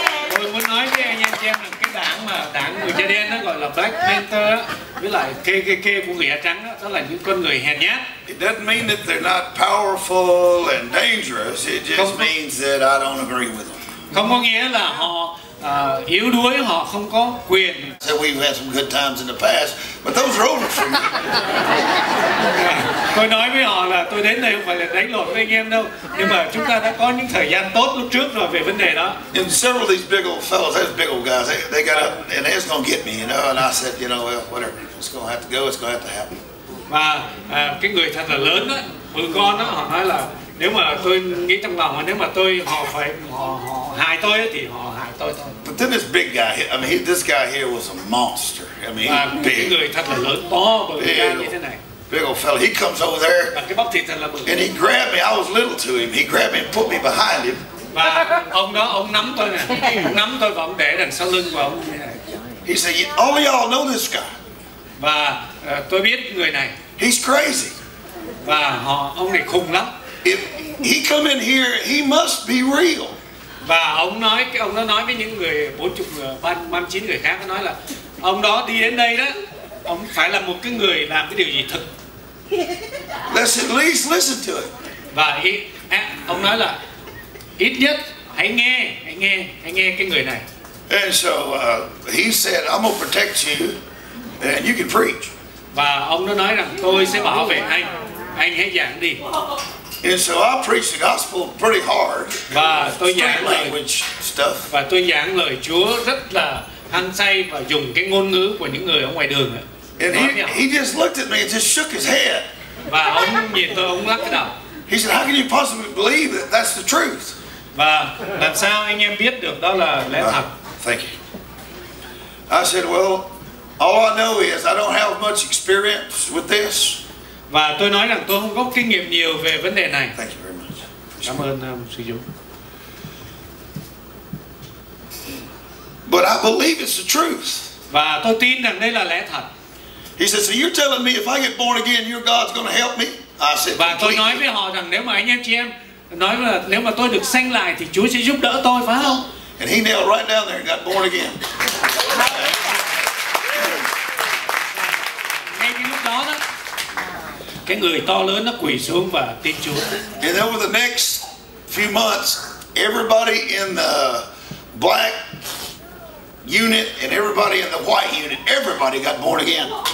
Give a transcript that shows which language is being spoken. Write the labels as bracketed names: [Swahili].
[Vietnamese] Tôi muốn nói với anh em xem là cái đảng người da đen nó gọi là Black Panther với lại KKK của người da trắng đó là những con người hèn nhát. [English] It doesn't mean that they're not powerful and dangerous. It just means that I don't agree with them. [Vietnamese] Không có nghĩa là họ yếu đuối, họ không có quyền. [English] So we've had some good times in the past, but those are over for me. [Vietnamese] Tôi nói với họ là tôi đến đây không phải là đánh lộn với anh em đâu, nhưng mà chúng ta đã có những thời gian tốt lúc trước rồi về vấn đề đó. [English] And several of these big old fellows, those big old guys, they got up and they're gonna get me, you know. And I said, you know, well, whatever, it's gonna have to go, it's gonna have to happen. [Vietnamese] Và cái người thật là lớn đó, bự con đó, họ nói là nếu mà tôi nghĩ trong lòng, nếu mà tôi hại tôi thì họ hại tôi thôi. [English] But then this big guy, I mean, this guy here was a monster. I mean, [Vietnamese] và [English] big. [Vietnamese] Cái người thật là lớn, to bự như thế này. [English] Big old fella, he comes over there, and he grabbed me. I was little to him. He grabbed me and put me behind him. [Vietnamese] Và ông đó, ông nắm tôi nè, nắm tôi và ông để đằng sau lưng của ông. [English] He said, "All y'all know this guy." [Vietnamese] Và tôi biết người này. [English] He's crazy. [Vietnamese] Và ông này khùng lắm. [English] If he come in here, he must be real. [Vietnamese] Và ông nói với những người 49 người khác, nói là ông đó đi đến đây đó, ông phải là một cái người làm cái điều gì thật. [English] Let's at least listen to it. [Vietnamese] Và ông nói là ít nhất hãy nghe cái người này. [English] And so he said, I'm gonna protect you and you can preach. [Vietnamese] Và ông đó nói rằng tôi sẽ bảo vệ anh. Anh hãy giảng đi. [English] And so I preached the gospel pretty hard. [Vietnamese] Và tôi giảng lời [English] language stuff. [Vietnamese] Và tôi giảng lời Chúa rất là hăng say và dùng cái ngôn ngữ của những người ở ngoài đường. [English] And he just looked at me and just shook his head. [Vietnamese] Và ông nhìn tôi, ông lắc cái đầu. [English] He said, "How can you possibly believe that that's the truth?" [Vietnamese] Và làm sao anh em biết được đó là lẽ thật? [English] Thank you. I said, "Well, all I know is I don't have much experience with this." [Vietnamese] Và tôi nói rằng tôi không có kinh nghiệm nhiều về vấn đề này. [English] Thank you very much. [Vietnamese] Cảm ơn sư Dũng. [English] But I believe it's the truth. [Vietnamese] Và tôi tin rằng đây là lẽ thật. [English] He says, "So you're telling me if I get born again, your God's going to help me?" I said, [Vietnamese] "Và tôi nói với họ rằng nếu mà anh em chị em nói là nếu mà tôi được sanh lại thì Chúa sẽ giúp đỡ tôi, phải không?" [English] And he nailed right down there and got born again. [Vietnamese] Ngay cái lúc đó, cái người to lớn nó quỳ xuống và tin Chúa. [English] And over the next few months, everybody in the black unit and everybody in the white unit, everybody got born again.